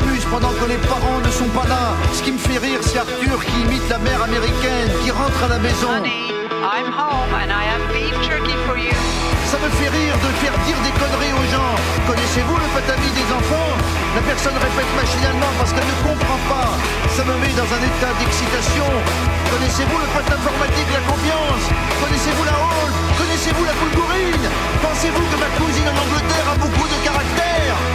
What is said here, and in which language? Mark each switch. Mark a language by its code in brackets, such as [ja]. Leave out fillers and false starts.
[fr] Pendant que les parents ne sont pas là. Ce qui me fait rire, c'est Arthur qui imite la mère américaine qui rentre à la maison. [en] Honey, I'm home and I have beef jerky for you. [fr] Ça me fait rire de faire dire des conneries aux gens. Connaissez-vous le patami des enfants? La personne répète machinalement parce qu'elle ne comprend pas. Ça me met dans un état d'excitation. Connaissez-vous le pataformatique, la confiance? Connaissez-vous la hall? Connaissez-vous la boulgourine? Pensez-vous que ma cousine en Angleterre a beaucoup de caractère?